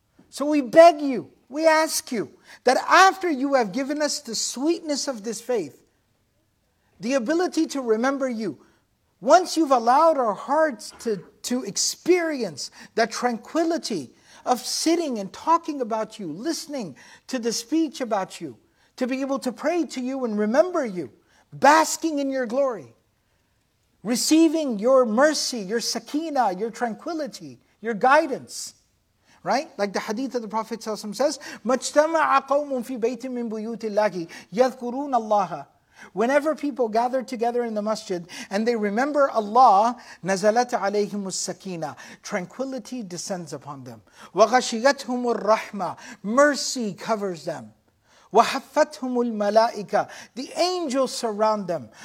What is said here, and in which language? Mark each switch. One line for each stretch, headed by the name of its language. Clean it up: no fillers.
English: So we beg you, we ask you, that after you have given us the sweetness of this faith, the ability to remember you, once you've allowed our hearts to experience that tranquility of sitting and talking about you, listening to the speech about you, to be able to pray to you and remember you, basking in your glory, receiving your mercy, your sakinah, your tranquility, your guidance, right? Like the hadith of the Prophet ﷺ says,
Arabic: مَجْتَمَعَ قَوْمٌ فِي بَيْتٍ مِّن بُيُوتِ اللَّهِ يَذْكُرُونَ اللَّهَ.
English: Whenever people gather together in the masjid and they remember Allah,
Arabic: نَزَلَتْ عَلَيْهِمُ السَّكِينَةِ,
English: tranquility descends upon them.
Arabic: وَغَشِيَتْهُمُ الرَّحْمَةِ,
English: mercy covers them.
Arabic: وَحَفَّتْهُمُ الْمَلَائِكَةِ,
English: the angels surround them.